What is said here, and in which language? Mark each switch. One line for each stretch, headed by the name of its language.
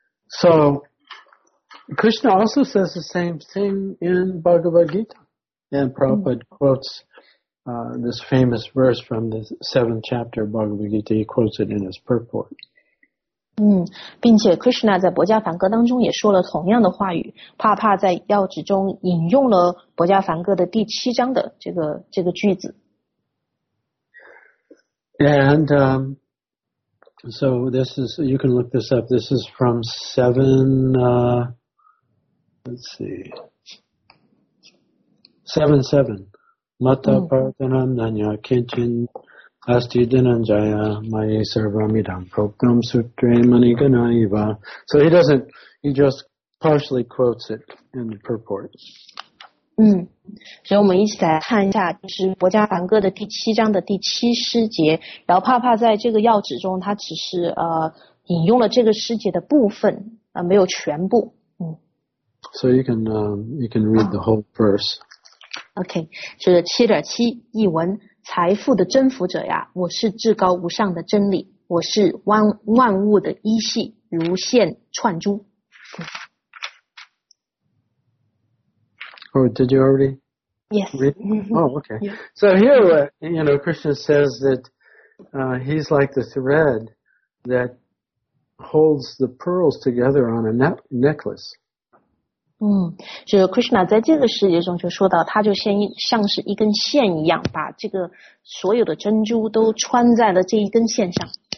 English: So, Krishna also says the same thing in Bhagavad Gita. And Prabhupada quotes this famous verse from the 7th chapter of Bhagavad Gita. He quotes it in his purport.
Chinese: 并且 Krishna 在博迦梵歌当中也说了同样的话语，帕帕在要旨中引用了博迦梵歌的第七章的这个句子。
English: And so this is, you can look this up, this is from 7-7.
Sanskrit: Mata Parthanam Nanya Kinchin. Asti Dhananjaya Maye Sarvamidam Proktam Sutre Mani Ganaiva.
English: So he just partially quotes it in the purport.
Chinese: 所以我们一起来看一下，就是《博迦梵歌》的第七章的第七诗节。然后帕帕在这个要旨中，他只是引用了这个诗节的部分，没有全部。
English: So you can read the whole verse.
Chinese: Okay, 是7.7译文。财富的征服者呀，我是至高无上的真理，我是万物的一系，如线串珠。
English: Oh, did you already? Yes. Oh, okay. So here, Krishna says that he's like the thread that holds the pearls together on a necklace.
Chinese: 就是 Krishna 在这个世界中就说到，他就像是一根线一样，把这个所有的珍珠都穿在了这一根线上。